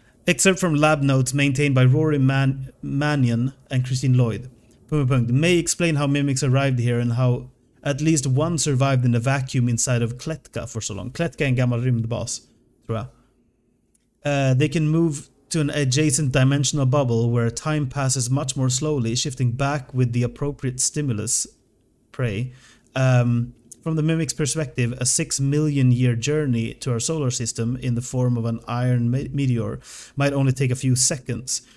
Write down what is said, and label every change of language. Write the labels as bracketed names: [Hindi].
[English] Excerpt from lab notes maintained by Rory Mannion and Christine Lloyd. May explain how Mimics arrived here and how at least one survived in a vacuum inside of Kletka for so long. [Swedish] Kletka är en gammal rymdbas, tror jag. [English] They can move to an adjacent dimensional bubble where time passes much more slowly, shifting back with the appropriate stimulus, prey. From the Mimics' perspective, a 6 million year journey to our solar system in the form of an iron meteor might only take a few seconds.